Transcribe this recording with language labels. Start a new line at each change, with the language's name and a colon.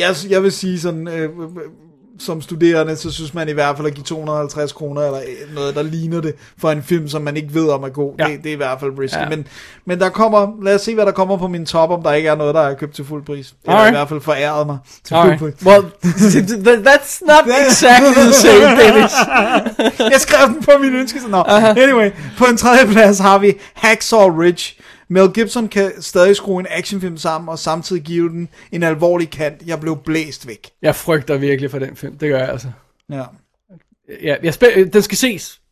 Danish: Jeg vil sige sådan, som studerende, så synes man i hvert fald at give 250 kroner, eller noget, der ligner det, for en film, som man ikke ved om er god. Ja. Det er i hvert fald risky. Ja. Men der kommer, lad os se, hvad der kommer på min top, om der ikke er noget, der er købt til fuld pris.
English: Alright.
Danish: Eller i hvert fald foræret mig til
English: alright.
Danish: Fuld pris.
English: Well, that's not exactly the same, Dennis.
Danish: Jeg skrev den på min ønske. Anyway, på en tredje plads har vi Hacksaw Ridge. Mel Gibson kan stadig skrue en actionfilm sammen og samtidig give den en alvorlig kant. Jeg blev blæst væk. Jeg frygter virkelig for den film. Det gør jeg altså. Ja. Ja, den skal ses.